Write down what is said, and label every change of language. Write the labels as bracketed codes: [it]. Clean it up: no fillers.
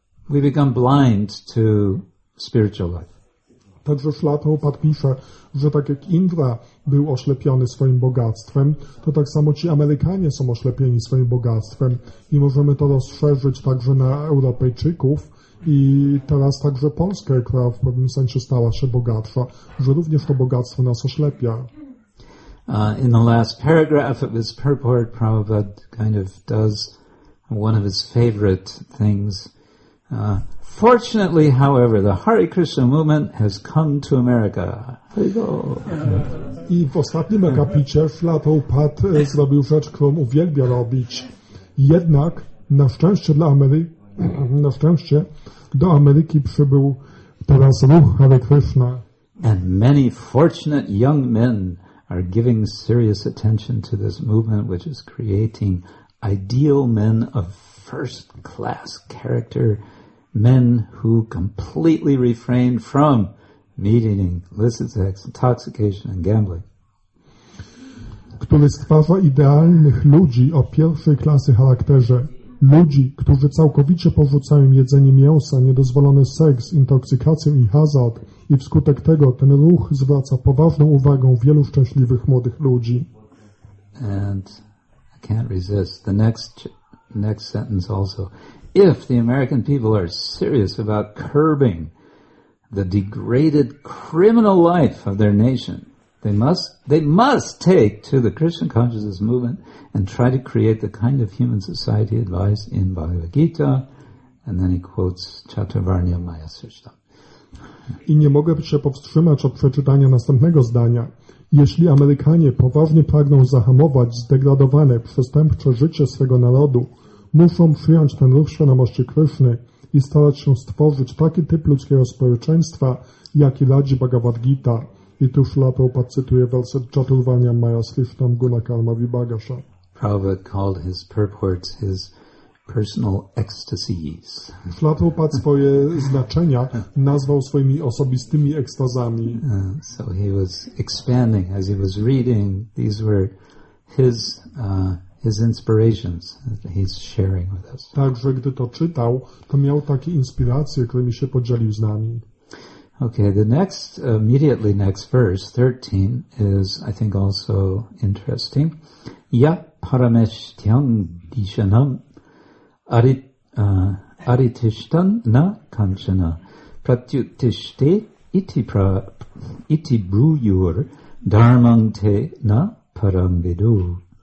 [en] We become blind to spiritual life. [pl] Także Szlapa Upada pisze, że tak jak Indra był oślepiony swoim bogactwem, to tak samo ci Amerykanie są oślepieni swoim bogactwem i możemy to rozszerzyć także na Europejczyków I teraz także Polska, która w pewnym sensie stała się bogatsza, że również to bogactwo nas oślepia. [en] In the last paragraph of his purport, Prabhupada kind of does one of his favorite things. Fortunately, however, the Hare Krishna movement has come to America. [pl] I w ostatnim akapicie Szlatoupad zrobił rzecz, którą uwielbia robić. Jednak, na szczęście dla Ameryki, na szczęście, do Ameryki przybył teraz ruch Hare Krishna. [en] And many fortunate young men are giving serious attention to this movement, which is creating ideal men of first-class character, men who completely refrain from meat-eating, illicit sex, intoxication, and gambling. [pl] Który stwarza idealnych ludzi o pierwszej klasy charakterze. Ludzi, którzy całkowicie porzucają jedzenie mięsa, niedozwolony seks, intoksykację i hazard. I wskutek tego ten ruch zwraca poważną uwagę wielu szczęśliwych młodych ludzi. [en] And I can't resist. The next sentence also. If the American people are serious about curbing the degraded criminal life of their nation, they must take to the Krishna consciousness movement and try to create the kind of human society advised in Bhagavad Gita. And then he quotes Chaturvarnya Maya Srishtam. [pl] I nie mogę się powstrzymać od przeczytania następnego zdania. Jeśli Amerykanie poważnie pragną zahamować zdegradowane, przestępcze życie swego narodu, muszą przyjąć ten ruch świadomości Kryszny i starać się stworzyć taki typ ludzkiego społeczeństwa, jaki radzi Bhagavad Gita. I tu Śrila Prabhupada cytuje werset Chaturvarnya Maya Srishtam Guna Karma Vibhagasha. [en] Prabhupada called his purports his personal ecstasies. [pl] Śrila Prabhupada swoje znaczenia nazwał swoimi osobistymi ekstazami. [en] So he was expanding as he was reading. These were his inspirations that he's sharing with us. [pl] Także gdy to czytał, to miał takie inspiracje, którymi się podzielił z nami. [en] Okay, the next, immediately next verse, 13, is I think also interesting. [sa] Ya parameshtyam dishanam aritishtan na kanchana pratyutishte iti bruyur dharmante na paramvidu.